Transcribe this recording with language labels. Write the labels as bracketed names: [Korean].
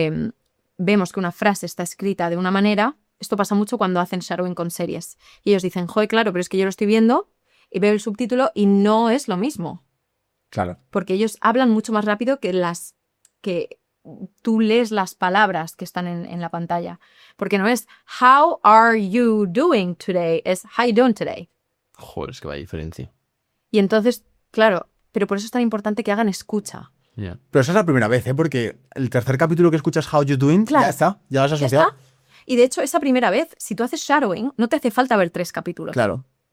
[Spanish] Que vemos que una frase está escrita de una manera. Esto pasa mucho cuando hacen shadowing con series. Y ellos dicen, joder, claro, pero es que yo lo estoy viendo y veo el subtítulo y no es lo mismo. Claro. Porque ellos hablan mucho más rápido que las que tú lees las palabras que están en la pantalla. Porque no es [English] how are you doing today, es how are you doing today. [Spanish] Joder, es que vaya diferencia. Y entonces, claro, pero por eso es tan importante que hagan escucha. [English] Yeah. [Spanish] Pero esa es la primera vez, ¿eh? Porque el tercer capítulo que escuchas [English] how you doing, [Spanish] claro, ya está, ya lo has asociado. Ya está. Y de hecho, esa primera vez, si tú haces shadowing, no te hace falta ver tres capítulos. Claro.